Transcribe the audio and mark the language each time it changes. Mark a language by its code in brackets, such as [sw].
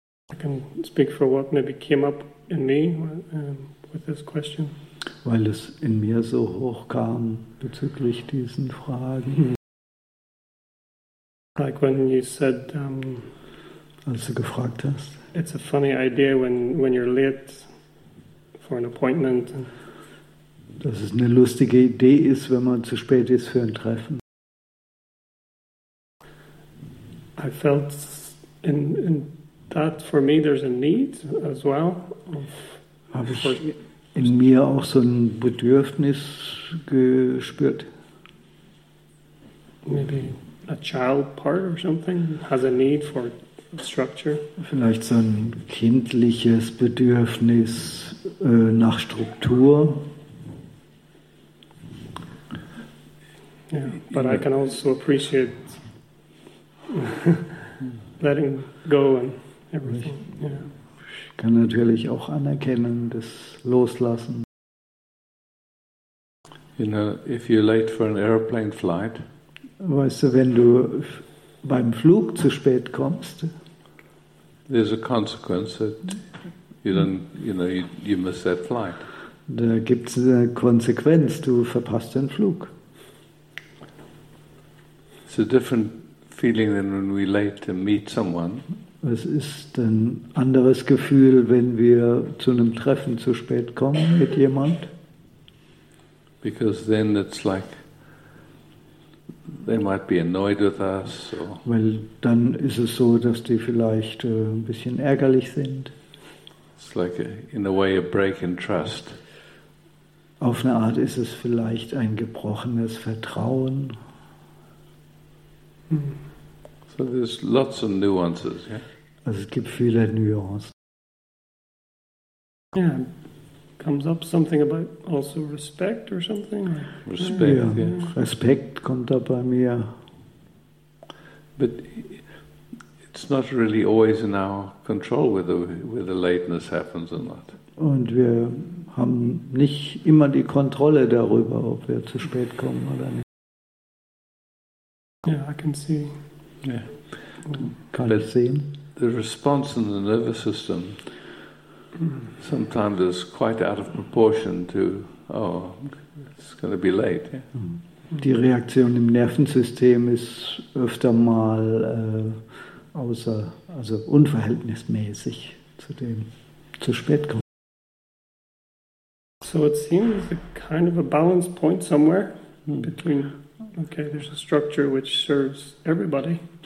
[en] I can speak for what maybe came up in me with this question. [de] Weil es in mir so hochkam bezüglich diesen Fragen. [en] Like when you said, [de] als du gefragt hast. [en] It's a funny idea when you're late for an appointment. [de] Dass es eine lustige Idee ist, wenn man zu spät ist für ein Treffen. [en] I felt in that for me there's a need as well. [de] Habe ich in mir auch so ein Bedürfnis gespürt? [en] Maybe a child part or something has a need for structure. [de] Vielleicht so ein kindliches Bedürfnis nach Struktur. [en] Yeah, but I can also appreciate letting go and everything. [de] Ich kann natürlich auch anerkennen, das Loslassen. [en] You know, if you're late for an airplane flight. [de] Weißt du, wenn du beim Flug zu spät kommst, [en] there's a consequence that you don't, you know, you miss that flight. [de] Da gibt's eine Konsequenz, du verpasst den Flug. [en] It's a different feeling than when we're late to meet someone. [de] Es ist ein anderes Gefühl, wenn wir zu einem Treffen zu spät kommen mit jemand. [en] Because then it's like they might be annoyed with us. Or [de] well, dann ist es so, dass die vielleicht ein bisschen ärgerlich sind. [en] It's like in a way a break in trust. [de] Auf eine Art ist es vielleicht ein gebrochenes Vertrauen. [en] So there's lots of nuances, yeah? [de] Also es gibt viele Nuancen. [en] Yeah, comes up something about also respect or something? Respect, yeah. [de] Respekt kommt da bei mir. [en] But it's not really always in our control whether lateness happens or not. [de] Und wir haben nicht immer die Kontrolle darüber, ob wir zu spät kommen oder nicht. [en] Yeah, I can see. Yeah. [de] Kann ich sehen. [en] The response in the nervous system sometimes is quite out of proportion to, oh, it's going to be late. Yeah. [de] Die Reaktion im Nervensystem ist öfter mal außer, also unverhältnismäßig zu dem zu spät kommen. [en] So it seems a kind of a balance point somewhere between, okay, there's a structure which serves everybody.